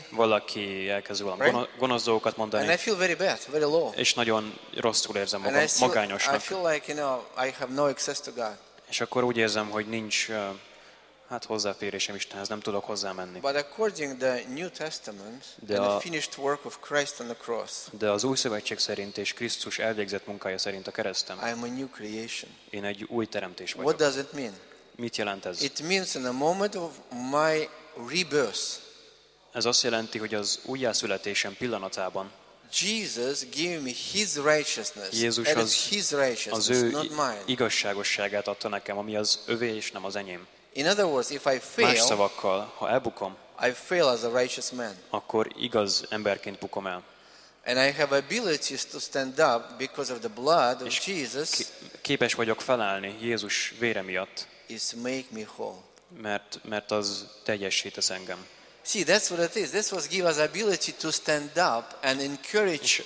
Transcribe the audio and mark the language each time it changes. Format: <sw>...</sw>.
<hu>Valaki elkezd velem gonosz dolgokat mondani.</hu> <en>And I feel very bad, very low.</en> <hu>És nagyon rosszul érzem magam, magányosnak.</hu> <en>I feel like, you know, I have no access to God.</en> <hu>És akkor úgy érzem, hogy nincs hozzáférésem Istenhez, nem tudok hozzá menni.</hu> <en>But according to the New Testament, the finished work of Christ on the cross.</en> <hu>De az Új Szövetség szerint és Krisztus elvégzett munkája szerint a kereszten.</hu> <en>I am a new creation.</en> <hu>Én egy új teremtés vagyok.</hu> <en>What does it mean?</en> <hu>Mit jelent ez?</hu> <en>It means in a moment of my rebirth.</en> <hu>Ez azt jelenti, hogy az újjászületésem pillanatában.</hu> <en>Jesus gave me his righteousness. Jézus</en> <hu>az</hu> <en>his righteousness, not mine.</en> <hu>Igazságosságát adta nekem, ami az övé és nem az enyém.</hu> <en>In other words, if I fail,</en> <hu>más szavakkal, ha elbukom,</hu> <en>I fail as a righteous man.</en> <hu>Akkor igaz emberként bukom el.</hu> <en>And I have abilities to stand up because of the blood of Jesus.</en> <hu>Képes vagyok felállni Jézus vére miatt.</hu> <en>Is make me whole.</en> <hu>Mert az teljesít az engem.</hu> <en>See, that's what it is. This was give us ability to stand up and encourage</en>